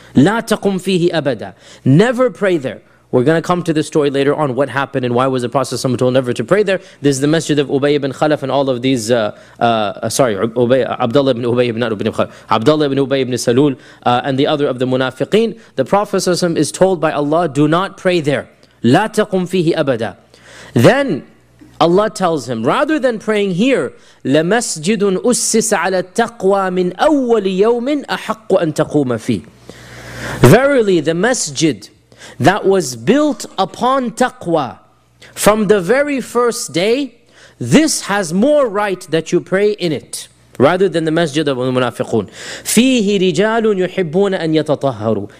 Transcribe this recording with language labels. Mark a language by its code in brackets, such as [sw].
[ar] La taqum fihi abada. [en] Never pray there. We're going to come to the story later on, what happened and why was the Prophet ﷺ told never to pray there. This is the masjid of Ubay ibn Khalaf and all of these, Abdullah ibn Ubay ibn, not Ubay ibn Khalaf, Abdullah ibn Ubay ibn Salul and the other of the munafiqeen. The Prophet ﷺ is told by Allah, do not pray there. [ar] La taqum fihi abada. [en] Then Allah tells him, rather than praying here, [ar] لَمَسْجِدٌ أُسِّسَ عَلَى التَّقْوَى مِنْ أَوَّلِ يَوْمٍ أَحَقُّ أَن تَقُومَ فِيهِ. [en] Verily, the masjid that was built upon taqwa from the very first day, this has more right that you pray in it, rather than the masjid of the munafiqun. [ar] فِيهِ رِجَالٌ يُحِبُّونَ أَن يَتَطَهَّرُوا.